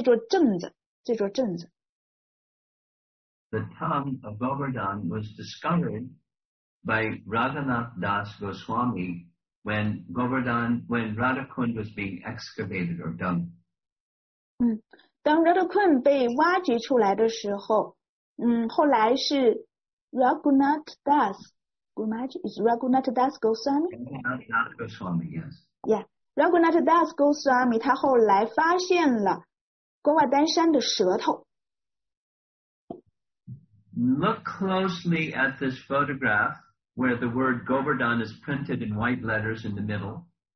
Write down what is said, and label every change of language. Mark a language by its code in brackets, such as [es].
[zh] 那么Govardhan山的舌头呢，就是Govardhan山这座城镇。我们去到Shamakun、Radhakun的时候，我们也会去拜访到Govardhan山这座镇子。 [en] The tongue of Govardhan was discovered by Raghunath Das Goswami when Radhakun was being excavated or dug. [zh] 当 Radhakun 被挖掘出来的时候，后来是 Raghunath Das. [en] Is Raghunath Das Goswami? Raghunath Das Goswami, yes. Yeah, Raghunath Das Goswami. [zh] 他后来发现了Govardhan山的舌头。 [en] Look closely at this photograph where the word Govardhan is printed in white letters in the middle.